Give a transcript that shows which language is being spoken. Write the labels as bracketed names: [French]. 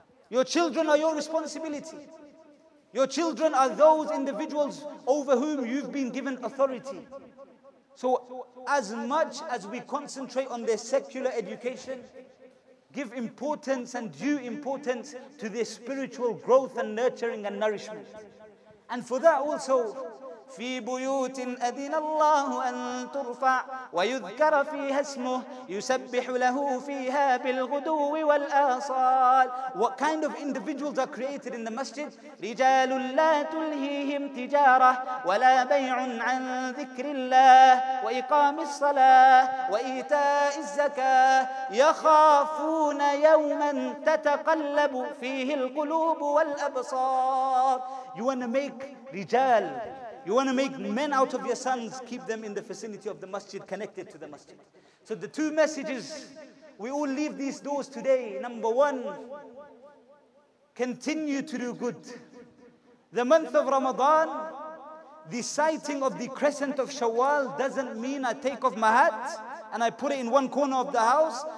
[English] Your children are your responsibility. Your children are those individuals over whom you've been given authority. So as much as we concentrate on their secular education, give importance and due importance to their spiritual growth and nurturing and nourishment. And for that also, [Arabic] في بيوت أذن الله أن ترفع ويذكر فيها اسمه يسبح له فيها بالغدو والآصال. [English] What kind of individuals are created in the masjid? [Arabic] رجال لا تلهيهم تجارة ولا بيع عن ذكر الله وإقام الصلاة وإيتاء الزكاة يخافون يوما تتقلب فيه القلوب والأبصار. [English] You want to make رجال. You want to make men out of your sons, keep them in the vicinity of the masjid, connected to the masjid. So the two messages, we all leave these doors today. Number one, continue to do good. The month of Ramadan, the sighting of the crescent of Shawwal doesn't mean I take off my hat and I put it in one corner of the house.